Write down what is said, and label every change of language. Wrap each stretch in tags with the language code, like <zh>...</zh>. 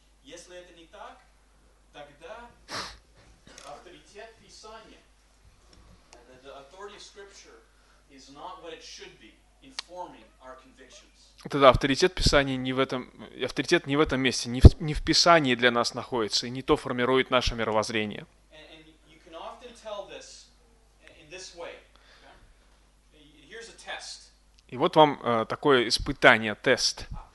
<ru>Если это не так, тогда авторитет Писания,</ru> <en>the authority of Scripture, is not what it should be, informing our convictions.</en> <ru>Тогда авторитет Писания не в этом, авторитет не в этом месте, не в Писании для нас находится, и не то формирует наше мировоззрение.</ru> <en>And you can often tell this in this way. Okay? Here's a test.</en> <ru>И вот вам такое испытание, тест.</ru>